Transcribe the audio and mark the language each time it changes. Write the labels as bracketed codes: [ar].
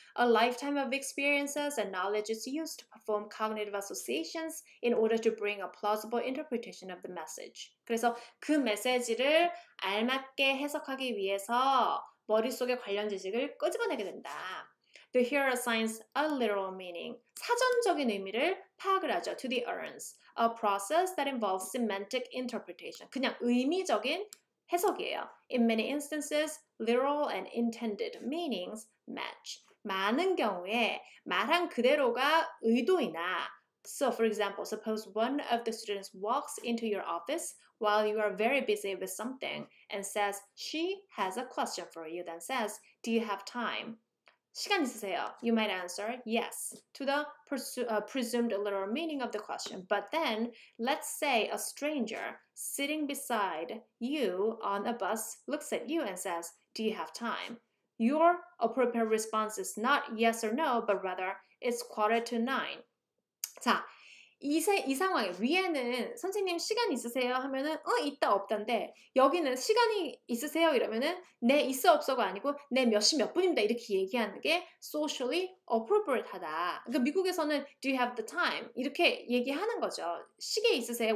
[en] A lifetime of experiences and knowledge is used to perform cognitive associations in order to bring a plausible interpretation of the message. [ko] 그래서 그 메시지를 알맞게 해석하기 위해서 머릿속에 관련 지식을 끄집어내게 된다. [en] The hearer assigns a literal meaning, [ko] 사전적인 의미를 파악을 하죠. [en] To the utterance, a process that involves semantic interpretation. [ko] 그냥 의미적인 해석이에요. [en] In many instances, literal and intended meanings match. [ko] 많은 경우에 말한 그대로가 의도이나 [en] So, for example, suppose one of the students walks into your office while you are very busy with something and says, she has a question for you, then says, do you have time? [ko] 시간 있으세요? [en] You might answer yes to the presumed literal meaning of the question. But then, let's say a stranger sitting beside you on a bus looks at you and says, do you have time? Your appropriate response is not yes or no, but rather it's quarter to nine. [ko] 자, 이 상황에 위에는 선생님 시간 있으세요? 하면은 있다 없다인데 여기는 시간이 있으세요? 이러면은 네 있어 없어가 아니고 네 몇 시 몇 분입니다 이렇게 얘기하는 게 [en] socially appropriate [ko] 하다. 그러니까 미국에서는 [en] do you have the time? [ko] 이렇게 얘기하는 거죠. 시계 있으세요?